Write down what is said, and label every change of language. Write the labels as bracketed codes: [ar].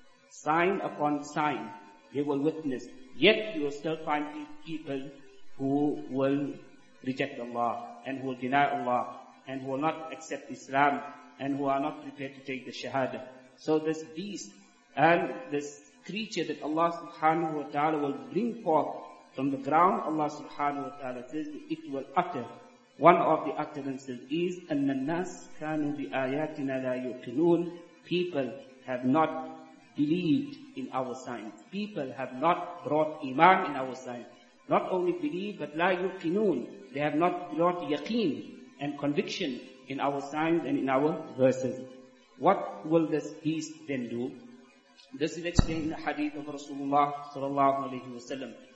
[en] Sign upon sign they will witness. Yet you will still find people who will reject Allah and who will deny Allah and who will not accept Islam and who are not prepared to take the shahada. So this beast and this creature that Allah subhanahu wa ta'ala will bring forth from the ground, Allah subhanahu wa ta'ala says it will utter. One of the utterances is [ar] أَنَّ النَّاسِ كَانُوا بِآيَاتِنَا لَا يُؤْمِنُونَ. [en] People have not believed in our signs. People have not brought iman in our signs. Not only believe, but [ar] لَا يُؤْمِنُونَ. [en] They have not brought yaqeen and conviction in our signs and in our verses. What will this beast then do? This is explained in the hadith of Rasulullah sallallahu alayhi wa sallam.